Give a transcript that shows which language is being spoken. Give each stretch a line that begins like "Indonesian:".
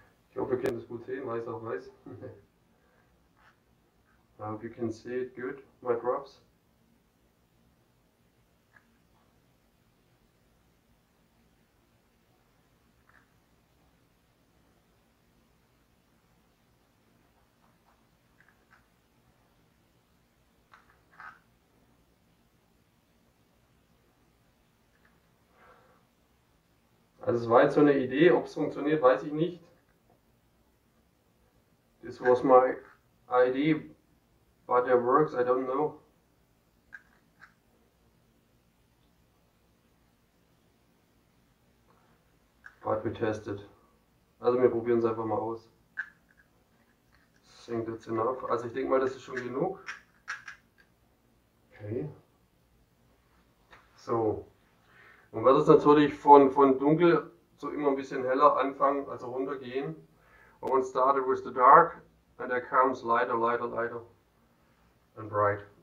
German: Ich hoffe, ihr könnt es gut sehen, weiß auf weiß.
English: I hope you can see it good, my drops.
German: Also es war jetzt so eine Idee, ob es funktioniert, weiß ich nicht.
English: This was my idea, but it works, I don't know. But we tested.
German: Also wir probieren es einfach mal aus.
English: Think that's enough.
German: Also ich denke mal, das ist schon genug. Okay. So. Und was ist natürlich von dunkel so immer ein bisschen heller anfangen, also runtergehen.
English: I want to start with the dark and there comes lighter, lighter, lighter and bright.